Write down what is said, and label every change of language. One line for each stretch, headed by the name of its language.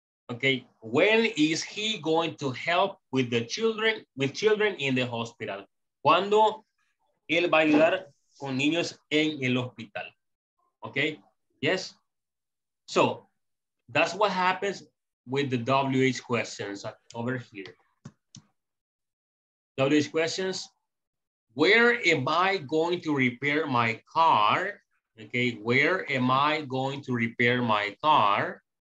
English: Ok, when is he going to help with the children, with children in the hospital?
Spanish: ¿Cuándo él va a ayudar con niños en el hospital? Ok, yes.
English: So that's what happens with the WH questions over here. WH questions, where am I going to repair my car? Okay, where am I going to repair my car?